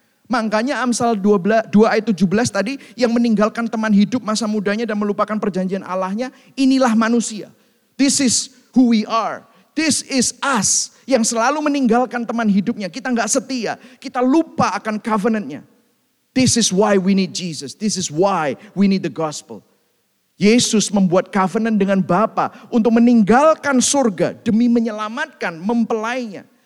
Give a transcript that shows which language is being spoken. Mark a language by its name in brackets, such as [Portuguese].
[Indonesian] Makanya Amsal 2 ayat 17 tadi, yang meninggalkan teman hidup masa mudanya dan melupakan perjanjian Allahnya, inilah manusia. [English] This is who we are. This is us. [Indonesian] Yang selalu meninggalkan teman hidupnya. Kita gak setia. Kita lupa akan covenant-nya. [English] This is why we need Jesus. This is why we need the gospel. [Indonesian] Yesus membuat covenant dengan Bapa untuk meninggalkan surga demi menyelamatkan mempelainya.